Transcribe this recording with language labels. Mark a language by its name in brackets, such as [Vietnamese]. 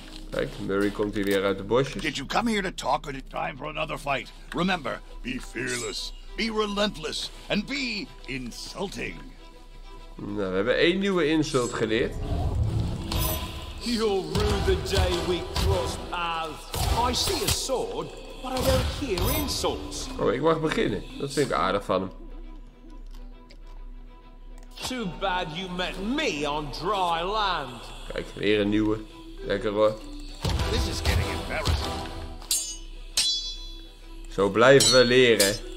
[Dutch] Kijk, Murray komt hier weer uit de bosjes. [English] Did you come here to talk or is it time for another fight? Remember, be fearless, be relentless and be insulting. [Dutch] Nou, we hebben één nieuwe insult geleerd. [English] You'll rue the day we cross paths. I see a sword, but I don't hear insults. [Dutch] Oh, ik mag beginnen. Dat vind ik aardig van hem. [English] Too bad you met me on dry land. [Dutch] Kijk, weer een nieuwe. Lekker hoor. [English] This is getting embarrassing. [Dutch] Zo blijven we leren.